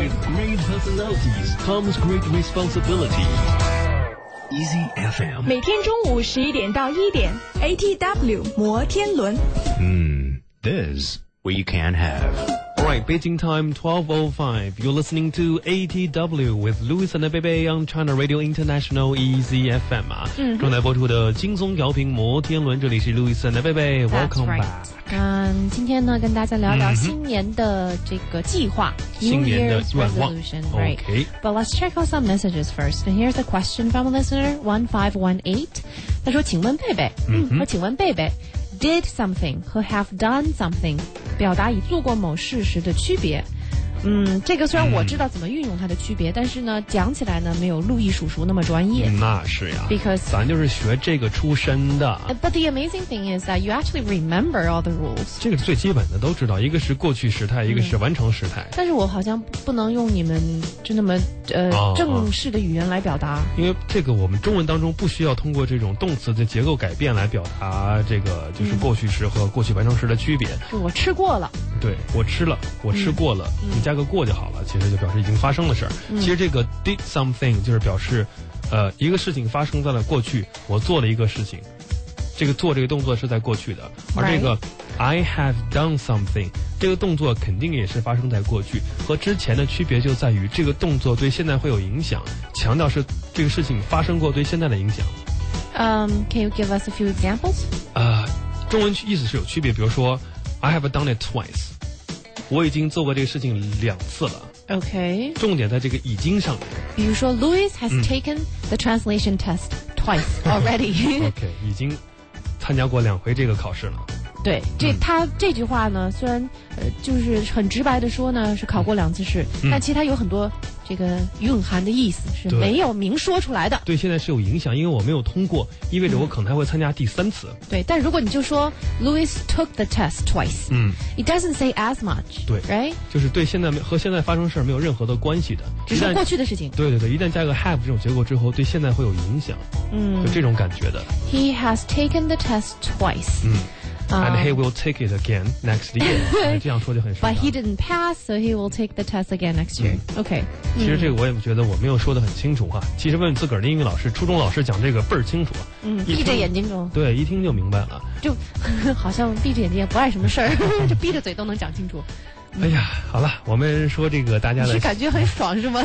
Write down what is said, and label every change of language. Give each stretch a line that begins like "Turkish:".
English: with great personalities comes great responsibility Easy FM
Chinese: 每天中午十一点到一点 ATW 摩天轮
English: This what you can haveRight, Beijing time 12:05. You're listening to ATW with Louis and Bebe on China Radio International Easy FM.
Chinese: 正在播出的轻松调频摩天轮，这里是 Louis and Bebe.
English: Welcome back.
Chinese: 今天呢，跟大家聊聊新年的这个计划。新年的愿望。
English: Right. But let's check out some messages first. And here's a question from a listener 1518.
Chinese: 他说：“请问贝贝，和请问贝贝。”
English: Did something
Chinese: 和
English: have done something
Chinese: 表达以做过某事时的区别。这个虽然我知道怎么运用它的区别，但是呢讲起来呢没有路易叔叔那么专业。那是呀，
English: Because
Chinese: 咱就是学这个出身的。
English: But the amazing thing is that you actually remember all the rules.
Chinese: 这个最基本的都知道，一个是过去时态，一个是完成时态。但是我好像不能用你们就那么正式的语言来表达。因为这个我们中文当中不需要通过这种动词的结构改变来表达这个就是过去时和过去完成时的区别。就我吃过了。对，我吃了，我吃过了。你加个过就好了，其实就表示已经发生的事儿。其实这个
English: did something
Chinese: 就是表示一个事情发生在了过去，我做了一个事情，这个做这个动作是在过去的。而这个
English: I have done something
Chinese: 这个动作肯定也是发生在过去，和之前的区别就在于这个动作对现在会有影响，强调是这个事情发生过对现在的影响。
English: Can you give us a few examples?
Chinese: 中文意思是有区别，比如说
English: I have done it twice，
Chinese: 我已经做过这个事情两次了。
English: OK，
Chinese: 重点在这个已经上面。
English: 比如说 Louis has taken the translation test twice already.
Chinese: OK， 已经参加过两回这个考试了。对，这他这句话呢，虽然就是很直白的说呢，是考过两次试，但其实他有很多这个蕴含的意思是没有明说出来的。对，现在是有影响，因为我没有通过，意味着我可能还会参加第三次。对，但如果你就说
English: Louis took the test twice， it doesn't say as much，
Chinese: 对
English: ，right，
Chinese: 就是对现在和现在发生事没有任何的关系的，只是过去的事情。对对对，一旦加个 have 这种结果之后，对现在会有影响，就这种感觉的。
English: He has taken the test twice。 And he will take it again next year.
Chinese: 这样说就很伤。
English: But he didn't pass, so he will take the test again next year. Okay.
Chinese: 其实这个我也觉得我没有说得很清楚哈。其实问自个儿的英语老师，初中老师讲这个倍儿清楚。闭着眼睛中。对，一听就明白了。就好像闭着眼睛也不碍什么事儿，就闭着嘴都能讲清楚。哎呀，好了，我们说这个大家的是感觉很爽是吗？